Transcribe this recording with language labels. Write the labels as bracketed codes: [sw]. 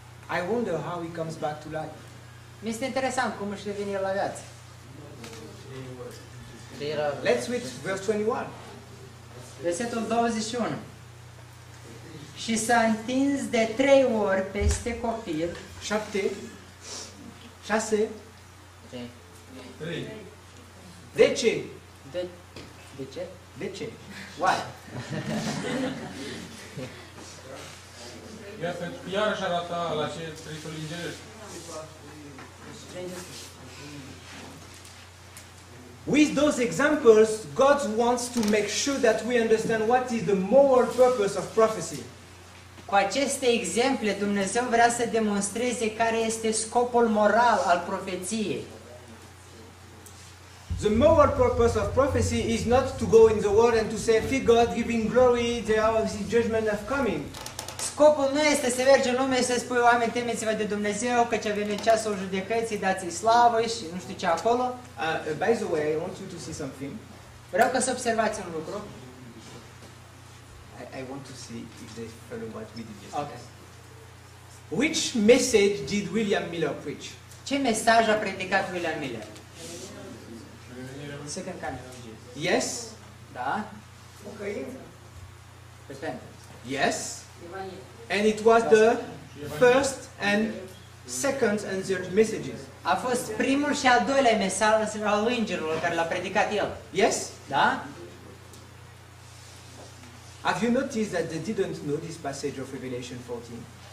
[en] I wonder how he comes back to life. [ro] Mi este interesant cum își revine la viață. [en] Let's read verse 21. [ro] Versetul 21. Și s-a întins de trei ori peste copil. Șapte. Șase. Trei. De ce? De ce? De ce? [en] Why? [ro] Iarăși arată la ce trăitul ingerești. [en] With those examples, God wants to make sure that we understand what is the moral purpose of prophecy. [ro] Cu aceste exemple, Dumnezeu vrea să demonstreze care este scopul moral al profeției. [en] The moral purpose of prophecy is not to go in the world and to say, "Fear God, giving glory, the hour of His judgment have coming." [ro] Scopul nu este să mergi în lume și să spui oameni, temeți-vă de Dumnezeu, că ce a venit ceasul judecății, dați-i slavă și nu știu ce acolo. [en] By the way, I want you to see something. [ro] Vreau ca să observați un lucru. [en] I want to see if they follow what we did yesterday. Okay. Which message did William Miller preach? [ro] Ce mesaj a predicat William Miller? [en] Second coming of Jesus. Yes. [ro] Da. [en] Okay. Yes. And it was the first and second and third messages. [ro] A fost primul și al doilea mesaj al îngerului care l-a predicat el. [en] Yes. [ro] Da. [en] Have you noticed that they didn't know this passage of Revelation 14?